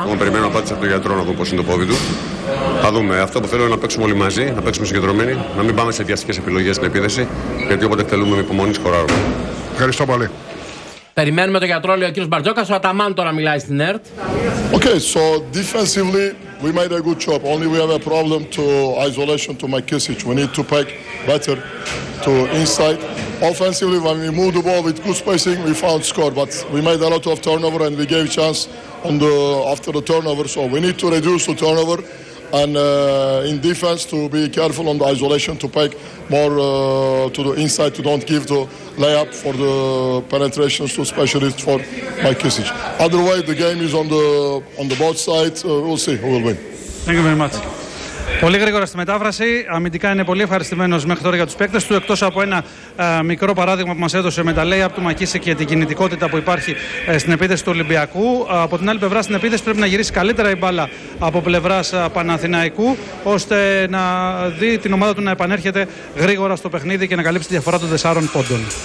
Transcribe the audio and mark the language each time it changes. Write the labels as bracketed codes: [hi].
[el] Λοιπόν, περιμένω απάντηση από τον γιατρό να δω πώς είναι το πόδι του. Θα δούμε. Αυτό που θέλω είναι να παίξουμε όλοι μαζί, να παίξουμε συγκεντρωμένοι, να μην πάμε σε βιαστικές επιλογές στην επίθεση, γιατί όποτε εκτελούμε με υπομονή σκοράρουμε. Ευχαριστώ πολύ. Περιμένουμε τον γιατρό, λέει ο κύριος Μπαρτζόκας. Ο Αταμάν τώρα μιλάει στην ΕΡΤ. [en] Okay, so defensively we made a good job. Only we have a problem to isolation to McKissic. We need to pack better to inside. Offensively when we move the ball with good spacing we found score, but we made a lot of turnover and we gave chance on the after the turnover. So we need to reduce the turnover and in defense to be careful on the isolation to pack more to the inside to don't give the layup for the penetrations to specialist for McKissic. Other way the game is on the both sides. We'll see who will win. Thank you very much. [el] Πολύ γρήγορα στη μετάφραση. Αμυντικά είναι πολύ ευχαριστημένος μέχρι τώρα για τους παίκτες του. Εκτός από ένα μικρό παράδειγμα που μας έδωσε με τα layup του Μακίση και την κινητικότητα που υπάρχει στην επίθεση του Ολυμπιακού. Από την άλλη πλευρά, στην επίθεση πρέπει να γυρίσει καλύτερα η μπάλα από πλευράς Παναθηναϊκού, ώστε να δει την ομάδα του να επανέρχεται γρήγορα στο παιχνίδι και να καλύψει τη διαφορά των 4 πόντων.